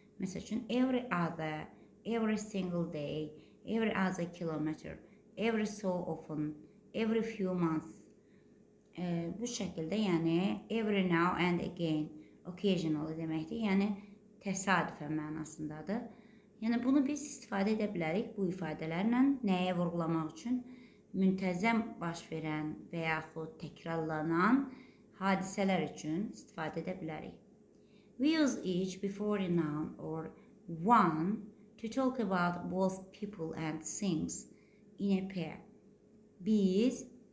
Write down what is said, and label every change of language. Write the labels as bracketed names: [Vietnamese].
[Azerbaijani] Məsəl üçün, [English] every other, every single day, every other kilometer, every so often, every few months. [Azerbaijani] Bu şəkildə, yəni, [English] every now and again, [Azerbaijani] occasionally deməkdir, yəni, təsadüfə mənasındadır. Yəni, bunu biz istifadə edə bilərik bu ifadələrlə nəyə vurgulamaq üçün? Müntəzəm baş verən və yaxud təkrarlanan hadisələr üçün istifadə edə bilərik. [English] We use each before a noun or one to talk about both people and things in a pair. Biz